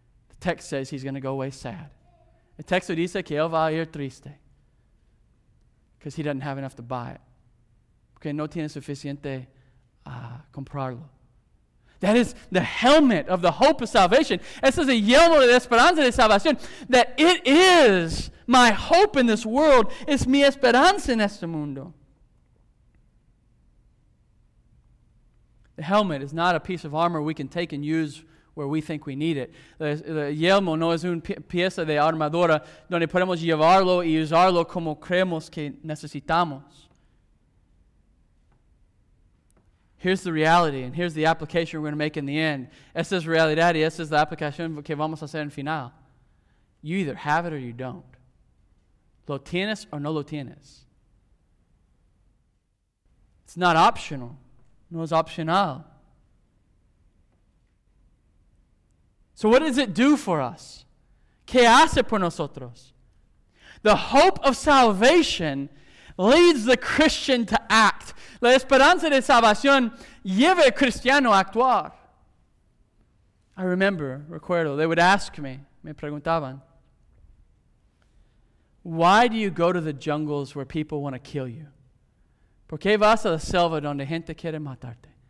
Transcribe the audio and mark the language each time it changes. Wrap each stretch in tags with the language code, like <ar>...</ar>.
<en>The text says he's going to go away sad. The text</en> <es>dice que él va a ir triste.</es> <en>Because he doesn't have enough to buy it.</en> <es>Porque no tiene suficiente comprarlo.</es> <en>That is the helmet of the hope of salvation.</en> <es>Ese es el yelmo de la esperanza de salvación.</es> <en>That it is my hope in this world.</en> <es>Es mi esperanza en este mundo.</es> <en>The helmet is not a piece of armor we can take and use where we think we need it.</en> <es>The yelmo no es una pieza de armadura donde podemos llevarlo y usarlo como creemos que necesitamos.</es> <en>Here's the reality, and here's the application we're going to make in the end.</en> <es>Esta es realidad y esta es la aplicación que vamos a hacer en final.</es> <en>You either have it or you don't.</en> <es>Lo tienes o no lo tienes.</es> <en>It's not optional.</en> <es>No es opcional.</es> <en>So what does it do for us?</en> <es>¿Qué hace por nosotros?</es> <en>The hope of salvation leads the Christian to act.</en> <es>La esperanza de salvación lleva al cristiano a actuar.</es> <en>I remember,</en> <es>recuerdo,</es> <en>they would ask me,</en> <es>me preguntaban,</es> <en>why do you go to the jungles where people want to kill you?</en> <es>¿Por qué vas a la selva donde gente quiere matarte?</es>